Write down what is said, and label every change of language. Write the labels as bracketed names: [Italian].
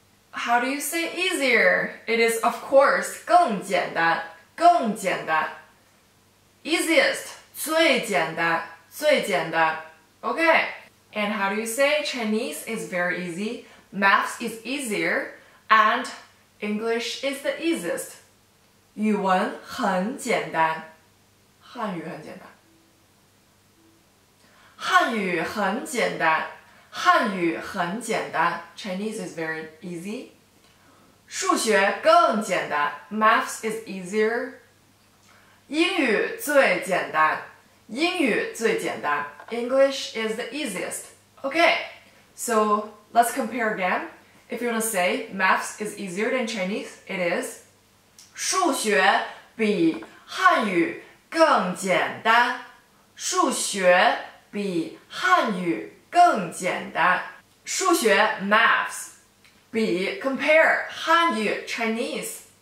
[English] How do you say easier? It is, of course, [Chinese] 更简单更简单 [English] easiest, [Chinese] 最简单最简单 [English] okay. And how do you say Chinese is very easy? Maths is easier, and English is the easiest. [Chinese] 语文很简单，汉语很简单。汉语很简单，汉语很简单。 [English] Chinese is very easy. [Chinese] 数学更简单 [English] ，Maths is easier. [Chinese] 英语最简单，英语最简单。 [English] English is the easiest. Okay, so. Let's compare again. If you want to say maths is easier than Chinese, it is [Chinese] 数学比汉语更简单数学比汉语更简单数学 maths 比 compare 汉语 Chinese.